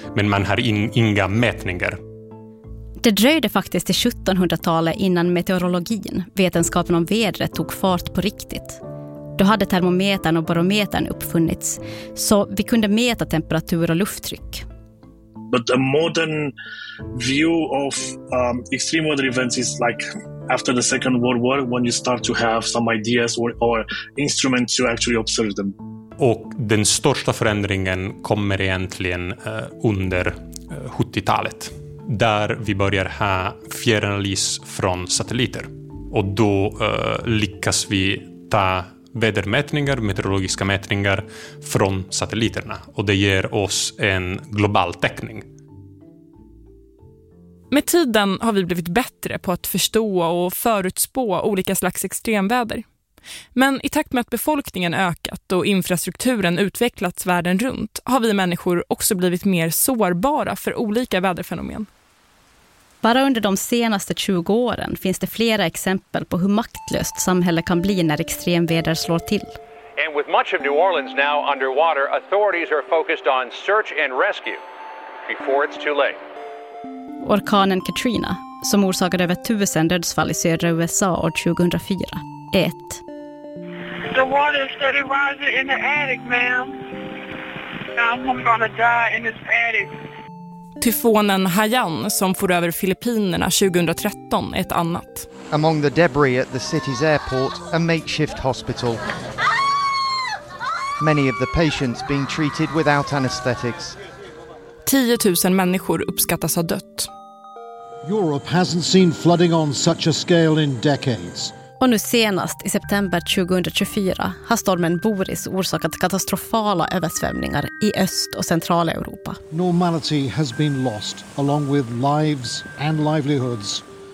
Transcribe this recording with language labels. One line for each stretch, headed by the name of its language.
Swedish: Men man har inga mätningar. Det dröjde faktiskt till 1700-talet innan meteorologin, vetenskapen om vädret, tog fart på riktigt. Då hade termometern och barometern uppfunnits, så vi kunde mäta temperatur och lufttryck.
English: But the modern view of extreme weather events is like after the Second World War when you start to have some ideas or instruments to actually observe them.
Swedish: Och den största förändringen kommer egentligen under 70-talet, där vi börjar ha fjärranalys från satelliter. Och då lyckas vi ta vädermätningar, meteorologiska mätningar från satelliterna. Och det ger oss en global täckning. Med tiden har vi blivit bättre på att förstå och förutspå olika slags extremväder. Men i takt med att befolkningen ökat och infrastrukturen utvecklats världen runt har vi människor också blivit mer sårbara för olika väderfenomen. Bara under de senaste 20 åren finns det flera exempel på hur maktlöst samhället kan bli när extremväder slår till.
English: And with much of New Orleans now underwater, authorities are focused on search and rescue before it's too late.
Swedish: Orkanen Katrina, som orsakade över 1000 dödsfall i södra USA år 2004, är ett.
English: The water is steady rising in the attic, ma'am. I'm gonna die in this attic.
Swedish: Tyfonen Haiyan som for över Filippinerna 2013 är ett annat.
English: Among the debris at the city's airport, a makeshift hospital. Many of the patients being treated without anesthetics.
Swedish: 10 000 människor uppskattas ha dött.
English: Europe hasn't seen flooding on such a scale in decades.
Swedish: Och nu senast, i september 2024, har stormen Boris orsakat katastrofala översvämningar i Öst- och centrala Europa.
English: Normality has been lost, along with lives and livelihoods.